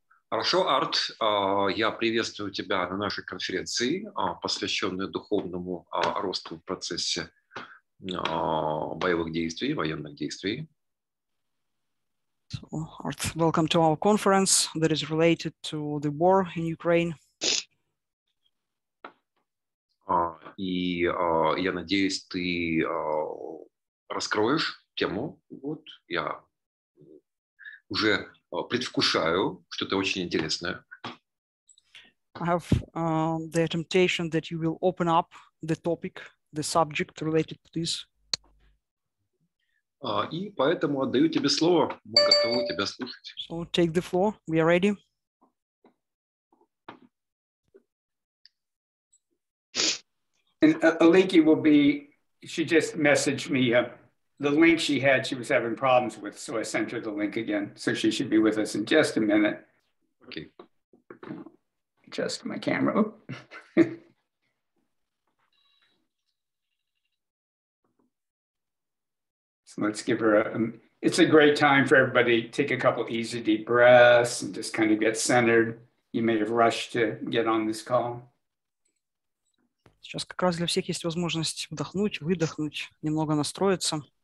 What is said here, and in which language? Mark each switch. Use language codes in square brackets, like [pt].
[ru] Хорошо, Арт, я приветствую тебя на нашей конференции, посвященной духовному росту в процессе боевых действий, военных действий. [en] So, Art, welcome to our conference that is related to the war in Ukraine. [ru] Я надеюсь, ты раскроешь тему. Вот я уже предвкушаю что-то очень интересное. [en] I have the temptation that you will open up the topic, the subject related to this. [ru] И поэтому отдаю тебе слово. Мы готовы тебя слушать. [en] So take the floor. We are ready. Aliki will be, she just messaged me the link she had, she was having problems with, so I sent her the link again. So she should be with us in just a minute. Okay. Adjust my camera. So let's give her it's a great time for everybody to take a couple easy deep breaths and just kind of get centered. You may have rushed to get on this call. [ru] Сейчас как раз для всех есть возможность вдохнуть, выдохнуть, немного настроиться.